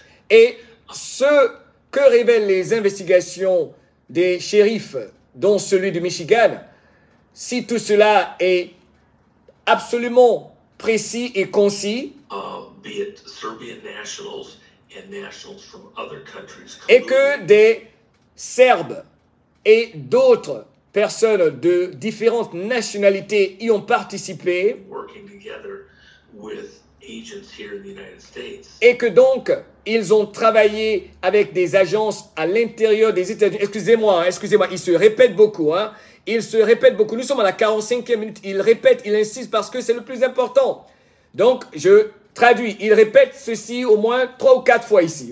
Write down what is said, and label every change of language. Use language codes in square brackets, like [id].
[fr] et ce que révèlent les investigations des shérifs, dont celui du Michigan, si tout cela est absolument précis et concis, [en] be it Serbian nationals and nationals from other countries, [fr] et que des Serbes et d'autres personnes de différentes nationalités y ont participé, [en] working together with agents here in the United States, [fr] et que donc ils ont travaillé avec des agences à l'intérieur des États-Unis. Excusez-moi, ils se répètent beaucoup, hein. Ils se répètent beaucoup. Nous sommes à la 45e minute. Ils répètent, ils insistent parce que c'est le plus important. Donc, je traduis. Ils répètent ceci au moins 3 ou 4 fois ici.